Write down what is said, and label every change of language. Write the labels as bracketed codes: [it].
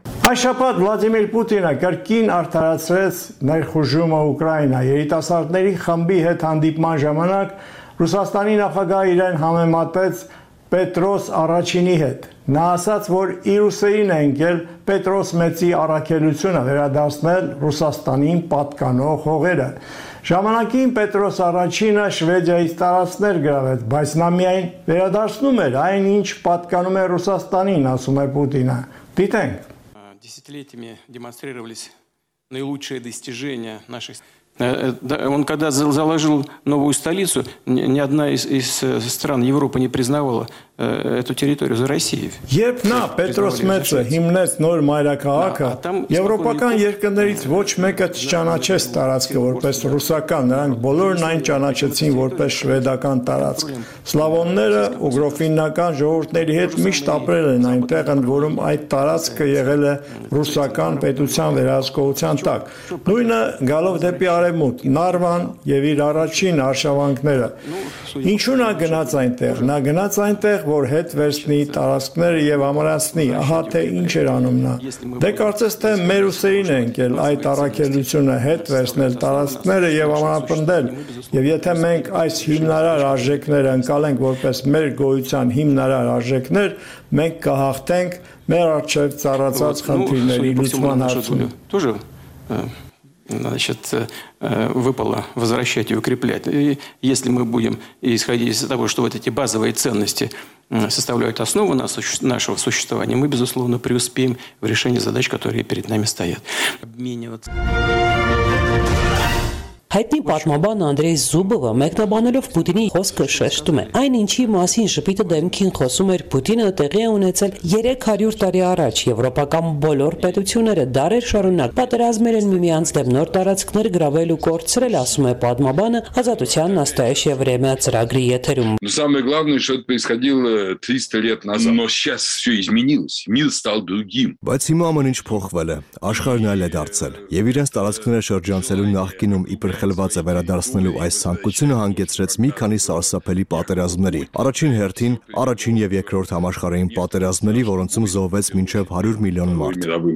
[hy] Այշապատ Վլադիմիր Պուտինը կրկին արդարացրեց ներխուժումը Ուկրաինա երիտասարդների խմբի հետ հանդիպման ժամանակ Ռուսաստանի նախագահը իրեն համեմատեց Պետրոս առաջինի հետ։ Նա ասաց, որ Իրուսեին է ընկել Պետրոս մեծի առաքելությունը վերադարձնել Ռուսաստանին պատկանող հողերը։ Ժամանակին Պետրոս առաջինը Շվեդիայից տարածքներ գրավեց, բայց նա միայն վերադարձնում էր այն, ինչ պատկանում է Ռուսաստանին, ասում է Պուտինը։ Դիտենք. [ru] Десятилетиями демонстрировались наилучшие достижения наших. Он когда заложил новую столицу, ни одна из стран Европы не признавала эту территорию за Россию. [hy] Երբ նա Պետրոս Մեծը հիմնեց նոր մայրաքաղաքը, եվրոպական երկրներից ոչ մեկը չճանաչեց տարածքը որպես ռուսական, նրանք բոլորն այն ճանաչեցին որպես շվեդական տարածք։ Սլավոնները ուգրոֆիննական ժողովրդների հետ միշտ ապրել են այնտեղ, ընդ որում այդ տարածքը եղել է ռուսական պետության վերահսկողության տակ։ Նույնը գալով դեպի արևմուտք, Նարվան եւ իր առաջին արշավանքները։ Ինչու նա գնաց այնտեղ? Նա գնաց այնտեղ, որ հետ վերցնի տարածքները եւ ամրացնի, ահա թե ինչ էր անում նա։ Դե կարծես թե մեր ուսերին է ընկել այդ առաքելությունը հետ վերցնել տարածքները եւ ամրապնդել։ Եվ եթե մենք այս հիմնարար արժեքները ընկալենք որպես մեր գոյության հիմնարար արժեքներ, մենք կհաղթենք մեր առջև ծառացած խնդիրների լուծման հարցում։ [ru] Тоже значит, выпало возвращать и укреплять. И если мы будем исходить из того, что вот эти базовые ценности составляют основу нашего существования, мы, безусловно, преуспеем в решении задач, которые перед нами стоят. Обмениваться. [hy] Հայտնի պատմաբան Անդրեյ Զուբովը մեկնաբանելով Պուտինի խոսքը շեշտում է, այն ինչի մասին ժպիտը դեմքին խոսում էր Պուտինը տեղի է ունեցել 300 տարի առաջ, եվրոպական բոլոր պետությունները դարեր շարունակ պատերազմեր են միմյանց դեմ նոր տարածքներ գրավել ու կորցրել, ասում է պատմաբանը Ազատության Настоящее время ծրագրի եթերում. [ru] Но самое главное, что это происходило 300 лет назад. Но сейчас всё изменилось. Мир стал другим. [hy] Բայց հիմա ամեն ինչ փոխվել է, աշխարհն այլ է դարձել, եւ իրենց տարածքները շրջանցելու նախկինում Պրխելված է վերադարձնելու այս ցանկությունը հանգեցրեց մի քանի սարսափելի պատերազմների։ Առաջին հերթին, առաջին եւ երկրորդ համաշխարհային պատերազմների, որոնցում զոհվեց մինչեւ 100 միլիոն մարդ։